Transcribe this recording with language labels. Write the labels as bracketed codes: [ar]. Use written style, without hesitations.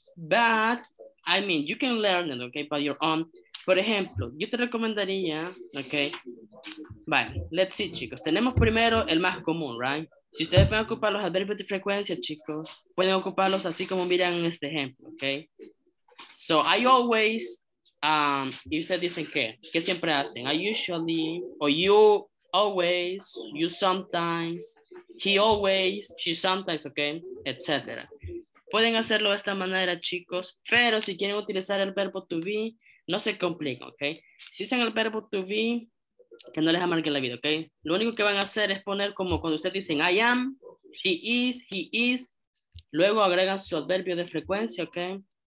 [en] But, I mean, you can learn it, okay, by your own. [es] Por ejemplo, yo te recomendaría, ok, vale, [en] let's see, [es] chicos, tenemos primero el más común, right? Si ustedes pueden ocupar los adverbios de frecuencia, chicos, pueden ocuparlos así como miran en este ejemplo, ok? [en] So, I always, [es] y ustedes dicen qué, ¿qué siempre hacen? [en] I usually, or you always, you sometimes, he always, she sometimes, ok, etc. [es] Pueden hacerlo de esta manera, chicos, pero si quieren utilizar el verbo to be, no se compliquen, ¿ok? Si usan el verbo to be, que no les amargue la vida, ¿ok? Lo único que van a hacer es poner como cuando ustedes dicen [en] I am, he is, [es] luego agregan su adverbio de frecuencia, ¿ok?